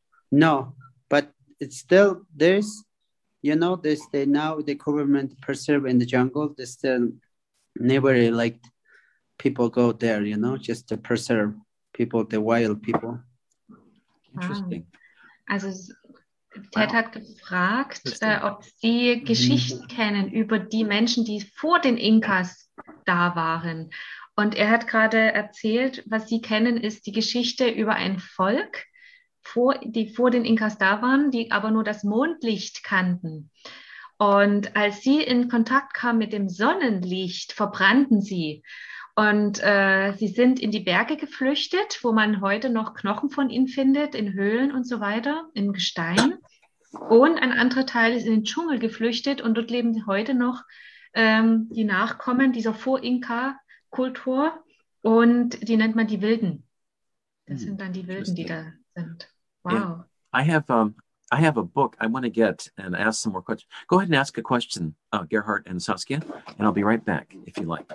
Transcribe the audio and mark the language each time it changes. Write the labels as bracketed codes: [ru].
[en] No, but it's still, there's, you know, there's the, now the government preserve in the jungle, there's still never like people go there, you know, just to preserve people, the wild people. Interesting. [de] Also, Ted hat gefragt, ob sie Geschichten kennen über die Menschen, die vor den Inkas da waren. Und er hat gerade erzählt, was sie kennen, ist die Geschichte über ein Volk, die vor den Inkas da waren, die aber nur das Mondlicht kannten. Und als sie in Kontakt kamen mit dem Sonnenlicht, verbrannten sie. Und sie sind in die Berge geflüchtet, wo man heute noch Knochen von ihnen findet, in Höhlen und so weiter, im Gestein. Und ein anderer Teil ist in den Dschungel geflüchtet und dort leben heute noch die Nachkommen dieser Vor-Inka-Kultur. Und die nennt man die Wilden. Das sind dann die Wilden, die da sind. [en] Wow. Yeah. I have a book I want to get and ask some more questions. Go ahead and ask a question, Gerhard and Saskia, and I'll be right back if you like.